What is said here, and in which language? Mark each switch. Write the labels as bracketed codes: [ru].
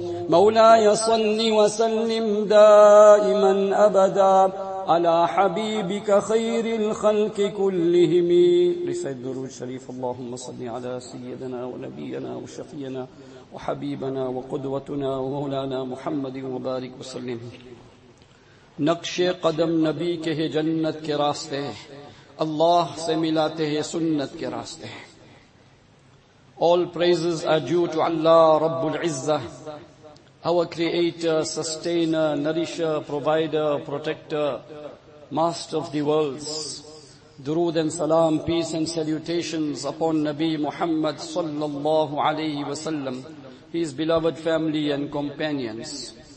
[ar] مولاي صل وسلم دائما أبدا على حبيبك خير الخلق كلهم. لسيد الدرج الشريف اللهم صل على سيدنا ونبينا وشفينا وحبيبنا وقدوتنا ومولانا محمد وبارك وسلم. [ur] نقش قدم نبی کے ہے جنت کے راستے، اللہ سے ملاتے ہیں سنت کے راستے. [en] All praises are due to Allah رب العزہ، our creator, sustainer, nourisher, provider, protector, master of the worlds. Durood and salam, peace and salutations upon Nabi Muhammad sallallahu alayhi wa sallam, his beloved family and companions.